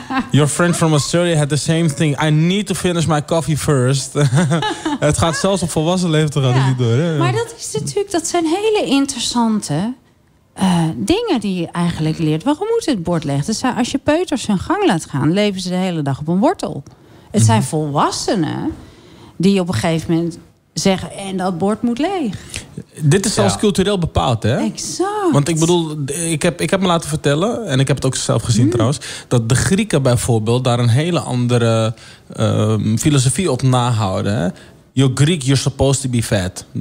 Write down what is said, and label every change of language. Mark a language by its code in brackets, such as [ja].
[en] Your friend from Australia had the same thing. I need to finish my coffee first. [nl] Het gaat zelfs op volwassen leeftijd gaat het niet door. Hè? Maar dat is natuurlijk, dat zijn hele interessante dingen die je eigenlijk leert. Waarom moet het bord leeg? Dus als je peuters hun gang laat gaan, leven ze de hele dag op een wortel. Het zijn volwassenen die op een gegeven moment zeggen, en dat bord moet leeg. Dit is zelfs cultureel bepaald, hè? Exact. Want ik bedoel, ik heb me laten vertellen... en ik heb het ook zelf gezien trouwens... dat de Grieken bijvoorbeeld daar een hele andere filosofie op nahouden. Hè? [en] You're Greek, you're supposed to be fat.